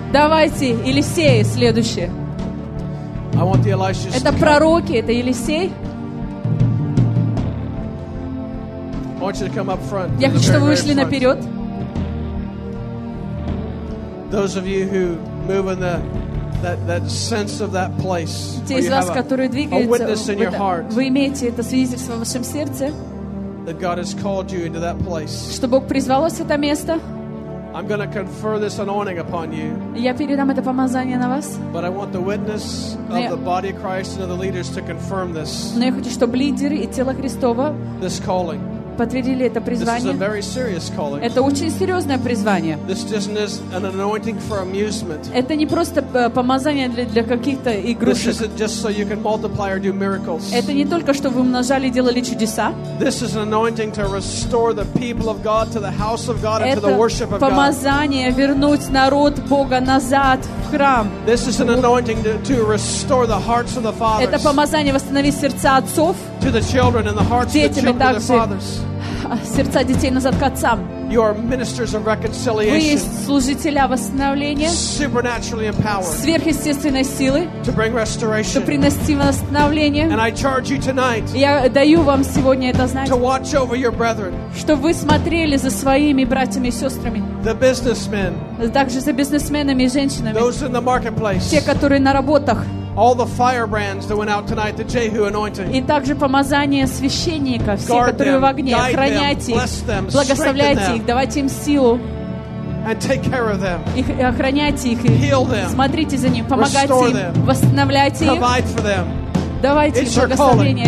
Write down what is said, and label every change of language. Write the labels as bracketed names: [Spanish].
[Russian] Давайте, Елисей, следующий. [English] I want the Elishas. [Russian] Это пророки, это Елисей. [English] I want you to come up front. [Russian] Я хочу, чтобы вы вышли наперед. [English] Those of you who move in that sense of that place. [Russian] Те из вас, которые двигаются, [English] a witness in your heart. [Russian] Вы имеете это свидетельство в вашем сердце. [English] That God has called you into that place. [Russian] Что Бог призвал вас в это место. [English] I'm going to confer this anointing upon you. [Russian] Я передам это помазание на вас. [English] But I want the witness of the body of Christ and of the leaders to confirm this. [Russian] Но я хочу, чтобы лидеры и тело Христово [English] this calling. [Russian] Подтвердили это призвание. [English] This is a very serious calling. [Russian] Это очень серьезное призвание. [English] This isn't just an anointing for amusement. [Russian] Это не просто помазание для каких-то игрушек. [English] This isn't just so you can multiply or do miracles. [Russian] Это не только чтобы вы умножали и делали чудеса. [English] This is an anointing to restore the people of God to the house of God and to the worship of God. [Russian] Это помазание вернуть народ Бога назад в храм. [English] This is an anointing to restore the hearts of the fathers. [Russian] Это помазание восстановить сердца отцов. [English] To the children and the hearts of the fathers. [Russian] Сердца детей назад к отцам. [English] You are ministers of reconciliation. [Russian] Вы есть служители восстановления. [English] Supernaturally empowered. [Russian] Сверхъестественной силы. [English] To bring restoration. [Russian] Чтобы принести восстановление. [English] And I charge you tonight. [Russian] Я даю вам сегодня это знать. [English] To watch over your brethren. [Russian] Чтобы вы смотрели за своими братьями и сестрами. [English] The businessmen. [Russian] Также за бизнесменами и женщинами. [English] Those in the marketplace. [Russian] Те, которые на работах. [English] All the firebrands that went out tonight, the Jehu anointing. [Russian] И также помазание священника, все, которые в огне, охраняйте их, благословляйте их, давайте им силу. [English] And take care of them. [Russian] И охраняйте их, [English] heal them. [Russian] Смотрите за ним, помогайте им, восстановляйте их. [English] Provide for them. [Russian] Давайте им благословение.